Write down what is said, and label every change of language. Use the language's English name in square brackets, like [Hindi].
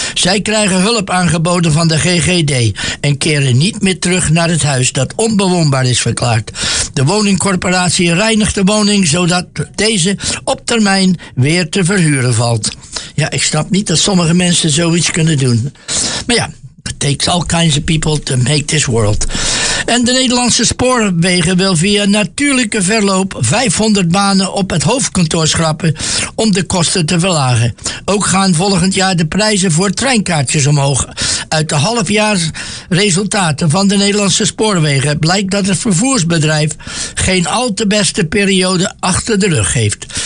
[Dutch] Zij krijgen hulp aangeboden van de GGD en keren niet meer terug naar het huis dat onbewoonbaar is verklaard. De woningcorporatie reinigt de woning zodat deze op termijn weer te verhuren valt. Ja, ik snap niet dat sommige mensen zoiets kunnen doen. Maar ja, [English] it takes all kinds of people to make this world. [Dutch] En de Nederlandse Spoorwegen wil via natuurlijke verloop 500 banen op het hoofdkantoor schrappen om de kosten te verlagen. Ook gaan volgend jaar de prijzen voor treinkaartjes omhoog. Uit de halfjaarsresultaten van de Nederlandse Spoorwegen blijkt dat het vervoersbedrijf geen al te beste periode achter de rug heeft.